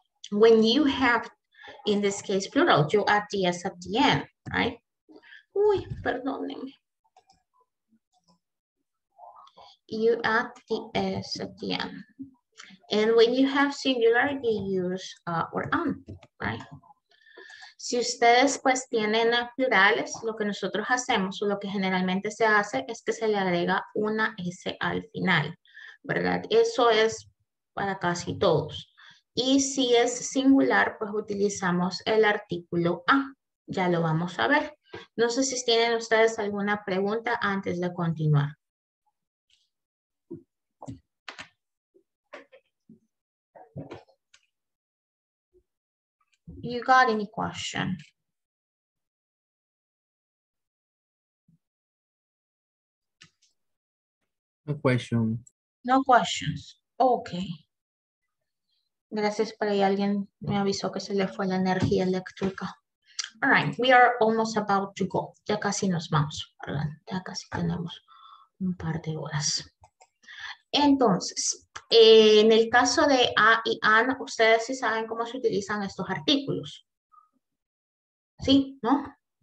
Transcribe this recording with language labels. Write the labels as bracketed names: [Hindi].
[English] When you have, in this case, plural, you add yes at the end, right? [Spanish] Uy, perdónenme. [English] You add the S at the end. And when you have singular, you use or on, right? [Spanish] Si ustedes pues tienen plurales, lo que nosotros hacemos o lo que generalmente se hace es que se le agrega una S al final, ¿verdad? Eso es para casi todos. Y si es singular, pues utilizamos el artículo A. Ya lo vamos a ver. No sé si tienen ustedes alguna pregunta antes de continuar. [English] You got any question? No question. No questions. Okay. [Spanish] Gracias, por ahí alguien me avisó que se le fue la energía eléctrica. [English] All right, we are almost about to go. [Spanish] Ya casi nos vamos. Ya casi tenemos un par de horas. Entonces, en el caso de A y An, ustedes sí saben cómo se utilizan estos artículos. ¿Sí? ¿No?